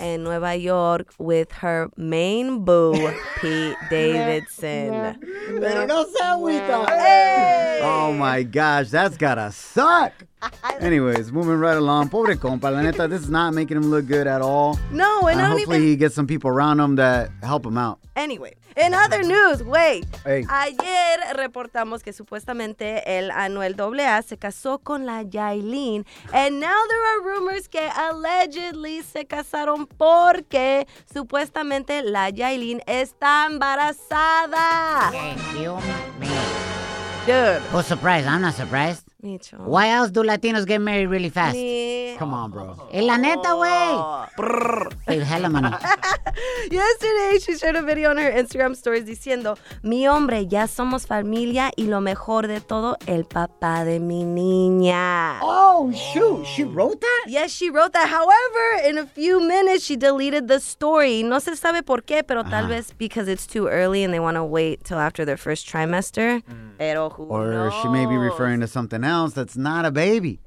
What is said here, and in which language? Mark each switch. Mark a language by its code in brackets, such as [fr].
[en] In Nueva York with her main boo, Pete Davidson. [es] Pero no se agüita. [en] Hey. Oh, my gosh. That's got to suck. Anyways, moving right along. [es] Pobre compa, la neta, [en] this is not making him look good at all. No, and not hopefully even he gets some people around him that help him out. Anyway, in other news, wait. Hey. [es] Ayer reportamos que supuestamente el Anuel AA se casó con la Yailin. [en] And now there are rumors [es] que allegedly se casaron porque supuestamente la Yailin está embarazada. [en] Thank you, man. Dude. Oh, surprise. I'm not surprised. Micho. Why else do Latinos get married really fast? Me. Come on, bro. [es] En la neta, wey. [en] Hey, hello, man. Yesterday, she shared a video on her Instagram stories [es] diciendo, mi hombre, ya somos familia y lo mejor de todo, el papá de mi niña. [en] Oh, shoot. She wrote that? Yes, she wrote that. However, in a few minutes, she deleted the story. [es] No se sabe por qué, pero tal vez [en] because it's too early and they want to wait till after their first trimester. Pero who or knows? She may be referring to something else that's not a baby.